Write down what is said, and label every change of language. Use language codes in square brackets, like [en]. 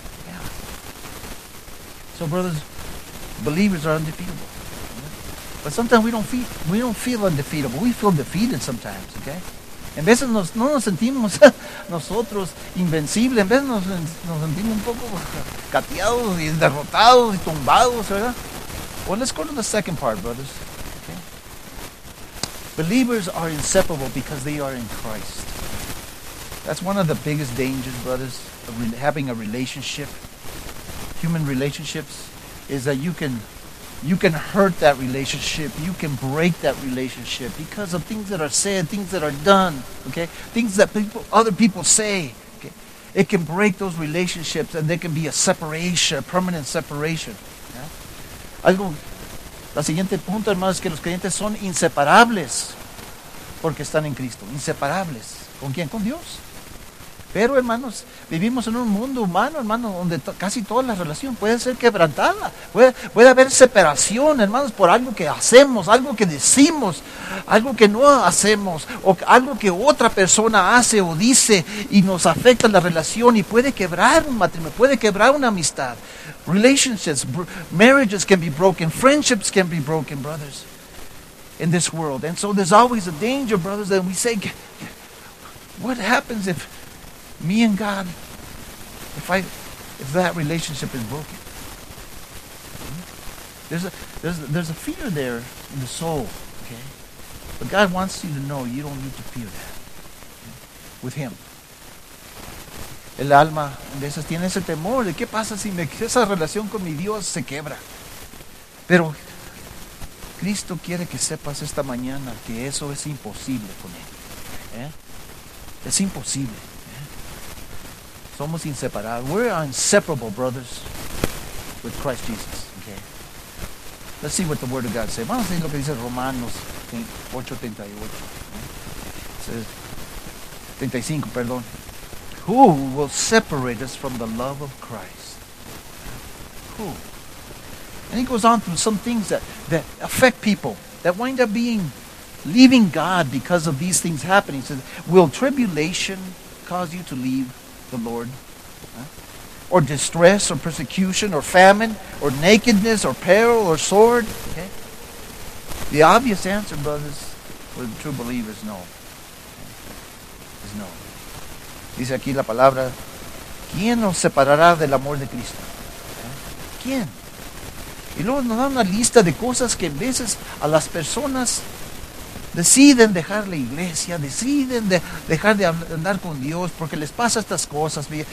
[en] Yeah. So, brothers, believers are undefeatable. But sometimes we don't feel undefeatable. We feel defeated sometimes, okay? [es] En veces no nos sentimos nosotros invencibles. En veces nos sentimos un poco cateados y derrotados y tumbados, ¿verdad? [en] Well, let's go to the second part, brothers. Okay? Believers are inseparable because they are in Christ. That's one of the biggest dangers, brothers, of having a relationship. Human relationships is that you can hurt that relationship. You can break that relationship because of things that are said, things that are done, okay? Things that other people say, okay? It can break those relationships and there can be a separation, a permanent separation. Yeah? [es] Algo, la siguiente punto, hermanos, es que los creyentes son inseparables porque están en Cristo. Inseparables. ¿Con quién? Con Dios. Pero, hermanos, vivimos en un mundo humano, hermanos, donde casi toda la relación puede ser quebrantada. Puede haber separación, hermanos, por algo que hacemos, algo que decimos, algo que no hacemos, o algo que otra persona hace o dice y nos afecta la relación y puede quebrar un matrimonio, puede quebrar una amistad. [en] Relationships, marriages can be broken, friendships can be broken, brothers, in this world. And so there's always a danger, brothers, that we say, what happens if me and God, if that relationship is broken, there's a fear there in the soul, okay? But God wants you to know you don't need to fear that, okay? With Him. [es] El alma de esas tiene ese temor de qué pasa si esa relación con mi Dios se quebra. Pero Cristo quiere que sepas esta mañana que eso es imposible con Él. ¿Eh? Es imposible. Somos inseparables. [en] We're inseparable brothers with Christ Jesus. Okay. Let's see what the Word of God says. [es] Vamos a ver lo que dice Romanos 8:38. [en] Says 35, [es] perdón. [en] Who will separate us from the love of Christ? Who? And he goes on through some things that affect people that wind up being leaving God because of these things happening. He says, will tribulation cause you to leave the Lord? Huh? Or distress, or persecution, or famine, or nakedness, or peril, or sword? Okay. The obvious answer, brothers, for the true believer is no. Okay. Is no. [es] Dice aquí la palabra, ¿quién nos separará del amor de Cristo? Okay. ¿Quién? Y luego nos da una lista de cosas que en veces a las personas deciden dejar la iglesia, deciden dejar de andar con Dios porque les pasa estas cosas.